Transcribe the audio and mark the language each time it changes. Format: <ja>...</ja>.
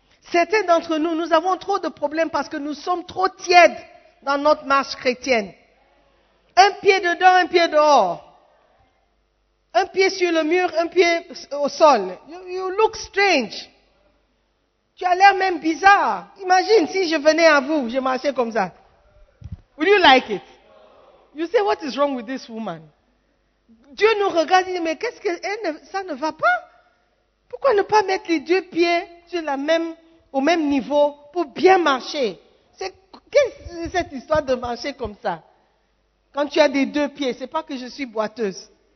<fr>Certains d'entre nous, nous avons trop de problèmes parce que nous sommes trop tièdes dans notre marche chrétienne. Un pied dedans, un pied dehors. Un pied sur le mur, un pied au sol.</fr> <en>You look strange.</en> <fr>Tu as l'air même bizarre. Imagine si je venais à vous, je marchais comme ça.</fr> <en>Would you like it? You say, what is wrong with this woman?</en> <fr>Dieu nous regarde et dit, mais qu'est-ce que ça ne va pas? Pourquoi ne pas mettre les deux pieds sur la même, au même niveau pour bien marcher? C'est Qu'est-ce que c'est cette histoire de marcher comme ça? Quand tu as des deux pieds, ce n'est pas que je suis boiteuse.</fr>